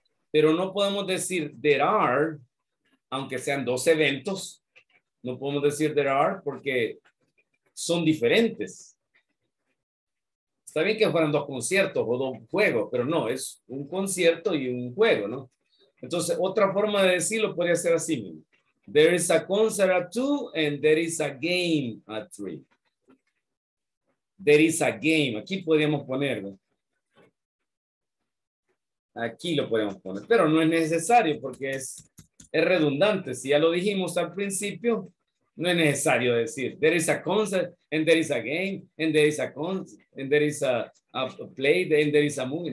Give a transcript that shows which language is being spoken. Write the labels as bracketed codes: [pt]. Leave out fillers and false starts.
[es] Pero no podemos decir [en] there are, [es] aunque sean dos eventos, no podemos decir there are porque son diferentes. Está bien que fueran dos conciertos o dos juegos, pero no, es un concierto y un juego, ¿no? Entonces, otra forma de decirlo podría ser así mismo. [en] There is a concert at 2 and there is a game at 3. There is a game. [es] Aquí podríamos ponerlo. Aquí lo podemos poner, pero no es necesario porque es redundante. Si ya lo dijimos al principio, no es necesario decir [en] there is a concert and there is a game and there is a concert and there is a play and there is a movie.